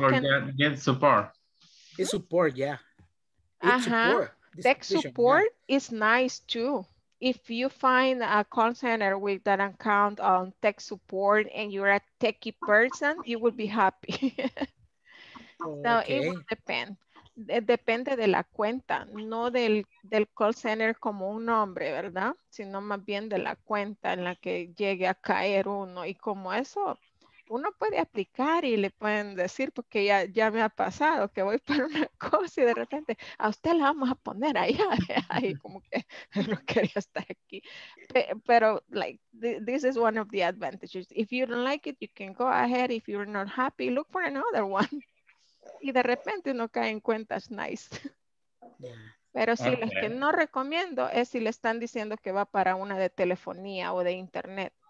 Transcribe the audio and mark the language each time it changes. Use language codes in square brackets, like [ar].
[en] it's get support. It's support, yeah. Support. Tech support, yeah. Is nice too. If you find a call center with that account on tech support and you're a techie person, you will be happy. So okay. It will depend. [es] It depende de la cuenta, no del call center como un nombre, ¿verdad? Sino más bien de la cuenta en la que llegue a caer uno. Y como eso, uno puede aplicar y le pueden decir, porque ya me ha pasado que voy para una cosa y de repente, a usted la vamos a poner ahí como que no quería estar aquí. [en] Pero, like, this is one of the advantages. If you don't like it, you can go ahead. If you're not happy, look for another one. [es] Y de repente uno cae en cuentas nice. Pero sí, okay. Las que no recomiendo es si le están diciendo que va para una de telefonía o de internet.